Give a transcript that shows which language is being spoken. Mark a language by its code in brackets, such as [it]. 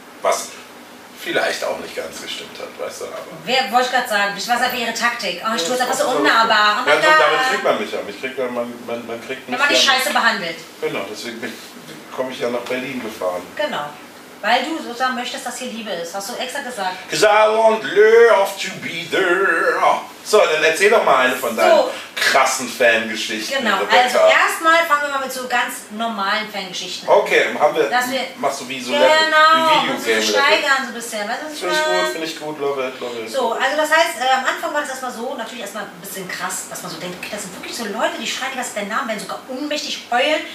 [de] Was vielleicht auch nicht ganz gestimmt hat, weißt du, aber. Wer wollte ich gerade sagen, was ist einfach ihre Taktik? Oh, ich tue es einfach so unnahbar. Oh mein Gott. Damit kriegt man mich ja. Man kriegt mich. Wenn man die Scheiße behandelt. Genau, deswegen komme ich ja nach Berlin gefahren. Genau. Weil du sozusagen möchtest, dass hier Liebe ist. Hast du extra gesagt. [en] Because I want love to be there. [de] So, dann erzähl doch mal eine von deinen krassen Fangeschichten. Genau, Rebecca. Also erstmal fangen wir mal mit so ganz normalen Fangeschichten. Okay, haben wir. Machst du wie so Level, genau, wie Videogame. Genau, steigern so ein bisschen. Weißt du, was ich meine? Finde ich gut, [en] love it. [de] So, also das heißt, am Anfang war das erstmal so, natürlich erstmal ein bisschen krass, dass man so denkt, okay, das sind wirklich so Leute, die schreien, die was deinen Namen, werden sogar ohnmächtig heulen.